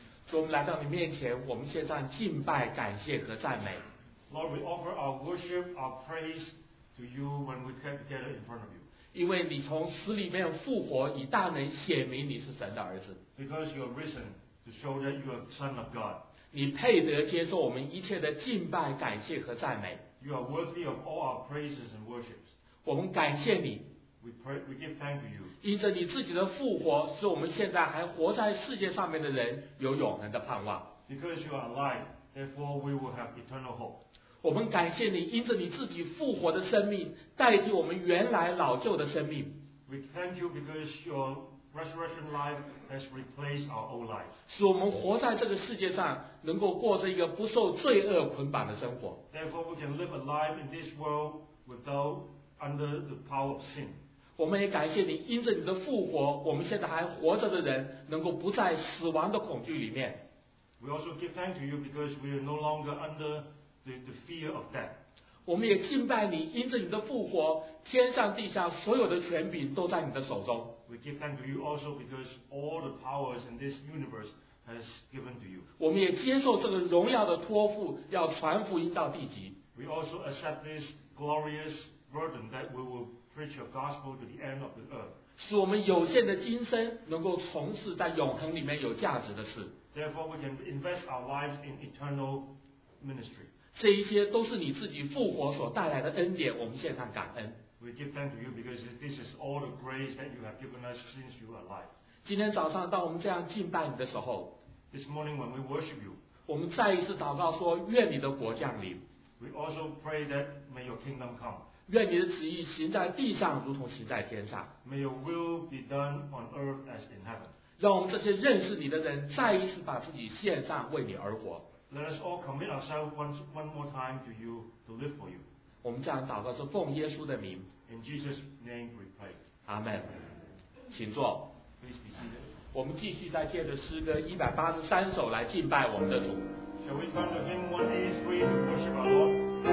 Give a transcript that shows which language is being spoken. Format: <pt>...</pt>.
<zh>我们来到你面前，我们献上敬拜、感谢和赞美。</zh> <en>Lord, we offer our worship, our praise to you when we come together in front of you.</en> <zh>因为你从死里面复活，以大能显明你是神的儿子。</zh> <en>Because you have risen to show that you are Son of God.</en> <zh>你配得接受我们一切的敬拜、感谢和赞美。</zh> <en>You are worthy of all our praises and worships.</en> <zh>我们感谢你。</zh> <en>We give thanks to you.</en> <zh>因着你自己的复活，使我们现在还活在世界上面的人有永恒的盼望。</zh> <en>Because you are alive, therefore we will have eternal hope.</en> <zh>我们感谢你，因着你自己复活的生命，代替我们原来老旧的生命。</zh> <en>We thank you because your resurrection life has replaced our old life.</en> <zh>使我们活在这个世界上，能够过着一个不受罪恶捆绑的生活。</zh> <en>Therefore, we can live a life in this world without under the power of sin.</en> <zh>我们也感谢你，因着你的复活，我们现在还活着的人，能够不在死亡的恐惧里面。</zh> <en>We also give thanks to you because we are no longer under. The fear of death.</en> <zh>我们也敬拜你，因着你的复活，天上地下所有的权柄都在你的手中。</zh> <en>We give thanks to you also because all the powers in this universe has given to you.</en> <zh>我们也接受这个荣耀的托付，要传福音到地极。</zh> <en>We also accept this glorious burden that we will preach your gospel to the end of the earth.</en> <zh>使我们有限的今生能够从事在永恒里面有价值的事。</zh> <en>Therefore, we can invest our lives in eternal ministry.</en> <zh>这一些都是你自己复活所带来的恩典，我们献上感恩。</zh> <en>We give thanks to you because this is all the grace that you have given us since you are alive.</en> <zh>今天早上当我们这样敬拜你的时候</zh> <en>，This morning when we worship you,</en> <zh>我们再一次祷告说，愿你的国降临。</zh> <en>We also pray that may your kingdom come.</en> <zh>愿你的旨意行在地上，如同行在天上。</zh> <en>May your will be done on earth as in heaven.</en> <zh>让我们这些认识你的人再一次把自己献上，为你而活。</zh> <en>Let us all commit ourselves one more time to you to live for you.</en> <zh>我们这样祷告是奉耶稣的名。</zh> <en>In Jesus' name we pray.</en> <zh>Amen. 请坐。</zh> <en>Please be seated.</en> <zh>我们继续再借着诗歌183首来敬拜我们的主。</zh> <en>Shall we turn to hymn 183 to worship our Lord?</en>